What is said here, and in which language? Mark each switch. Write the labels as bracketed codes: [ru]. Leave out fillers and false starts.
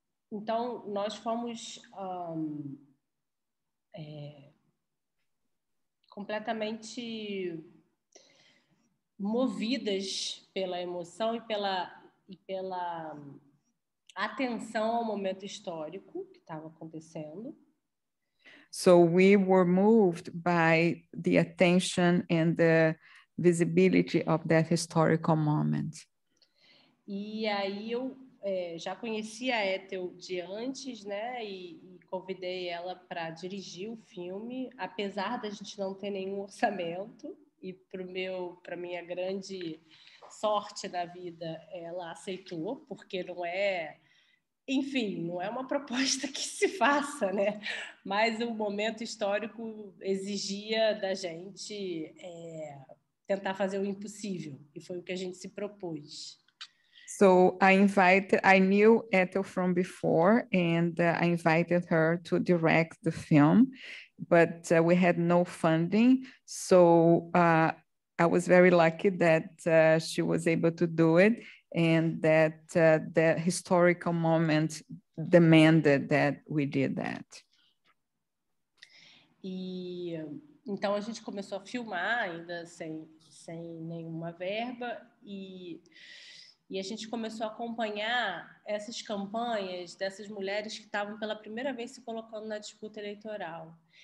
[pt] Então, nós fomos completamente movidas pela emoção e pela atenção ao momento histórico que estava acontecendo. [en] So we were moved by the attention and the visibility of that historical moment. [pt] E aí eu já conhecia a Éthel de antes, né, e convidei ela para dirigir o filme, apesar da gente não ter nenhum orçamento, e para minha grande sorte na vida, ela aceitou, porque não é, enfim, não é uma proposta que se faça, né, mas o momento histórico exigia da gente tentar fazer o impossível, e foi o que a gente se propôs. [en] So I knew Ethel from before, and I invited her to direct the film, but we had no funding. So I was very lucky that she was able to do it, and that the historical moment demanded that we did that. [pt] Então a gente começou a filmar ainda sem nenhuma verba e a gente começou a acompanhar essas campanhas dessas mulheres que estavam pela primeira vez se colocando na disputa eleitoral.